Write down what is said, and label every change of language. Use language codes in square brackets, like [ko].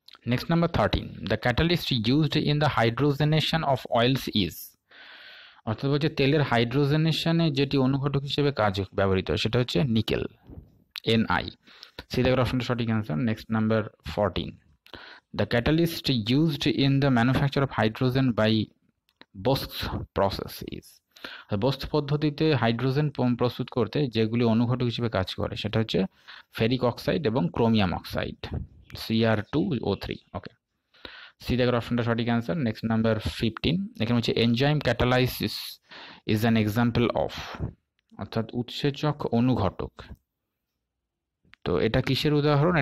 [bn] Next number thirteen, [en] the catalyst used in the hydrogenation of oils is, [bn] অর্থাৎ বলছে তেলের হাইড্রোজেনেশনে যেটি অনুঘটক হিসেবে কাজ ব্যবহৃত হয় সেটা হচ্ছে nickel, [en] N I. See the graph and sorting answer. Next, number 14. The catalyst used in the manufacture of hydrogen by Bosch process is. [bn] বস্ত পদ্ধতিতে হাইড্রোজেন প্রস্তুত করতে যেগুলি অনুঘটক হিসেবে কাজ করে সেটা হচ্ছে ফেরিক অক্সাইড এবং ক্রোমিয়াম অক্সাইড সিআর টু ও থ্রি। ওকে, সি দেখ অপশনটা সঠিক অ্যান্সার। নেক্সট নাম্বার 15, এখানে হচ্ছে [en] enzyme catalysis is an example of, [bn] অর্থাৎ উৎসেচক অনুঘটক, তো এটা কিসের উদাহরণ?